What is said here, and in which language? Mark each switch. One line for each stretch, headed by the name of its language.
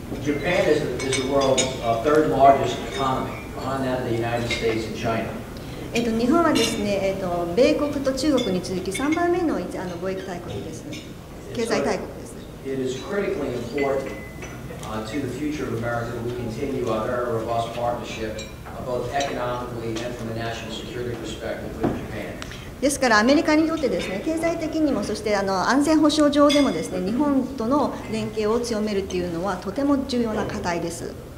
English: Japan is the world's third largest economy behind that of the United States and China.
Japanese: 日本はですね、米国と中国に続き3番目の貿易大国ですね、経済大国ですね。
English: It is critically importantto the future of America, we continue our very robust partnership, both economically and from a national security perspective with Japan.
Japanese: ですからアメリカにとってですね、経済的にもそして安全保障上でもですね、日本との連携を強めるっていうのはとても重要な課題です。